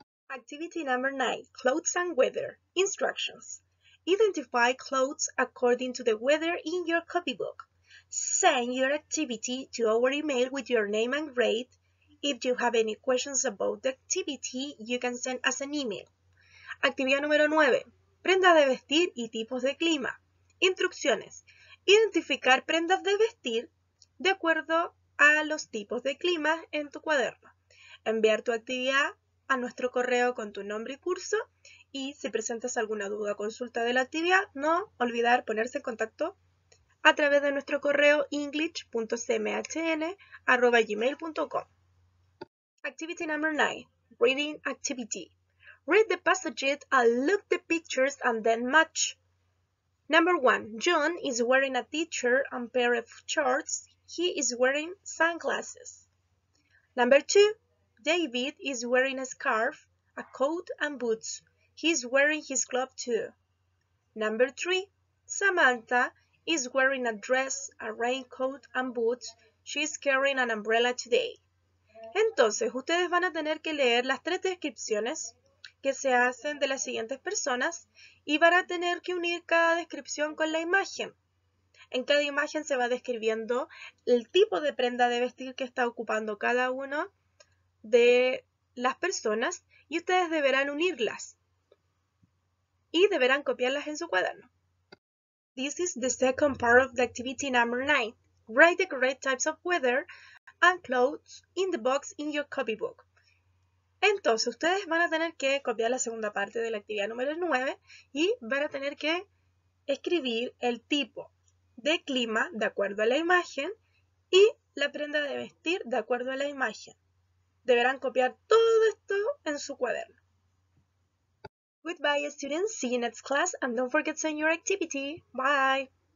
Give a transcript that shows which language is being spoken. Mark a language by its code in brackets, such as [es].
[en] Activity number 9, clothes and weather. Instructions. Identify clothes according to the weather in your copybook. Send your activity to our email with your name and grade. If you have any questions about the activity, you can send us an email. [es] Actividad número 9, prendas de vestir y tipos de clima. Instrucciones. Identificar prendas de vestir de acuerdo a los tipos de clima en tu cuaderno. Enviar tu actividad a nuestro correo con tu nombre y curso, y si presentas alguna duda o consulta de la actividad, no olvidar ponerse en contacto a través de nuestro correo english.cmhn@gmail.com. [en] Activity number 9, reading activity. Read the passages and look the pictures and then match. Number 1, John is wearing a t-shirt and pair of shorts. He is wearing sunglasses. Number 2, David is wearing a scarf, a coat, and boots. He's wearing his glove too. Number 3. Samantha is wearing a dress, a raincoat, and boots. She's carrying an umbrella today. [es] Entonces, ustedes van a tener que leer las tres descripciones que se hacen de las siguientes personas y van a tener que unir cada descripción con la imagen. En cada imagen se va describiendo el tipo de prenda de vestir que está ocupando cada uno de las personas y ustedes deberán unirlas y deberán copiarlas en su cuaderno. [en] This is the second part of the activity number 9. Write the correct types of weather and clothes in the box in your copybook. [es] Entonces, ustedes van a tener que copiar la segunda parte de la actividad número 9 y van a tener que escribir el tipo de clima de acuerdo a la imagen y la prenda de vestir de acuerdo a la imagen. Deberán copiar todo esto en su cuaderno. [en] Goodbye, students. See you next class and don't forget to send your activity. Bye.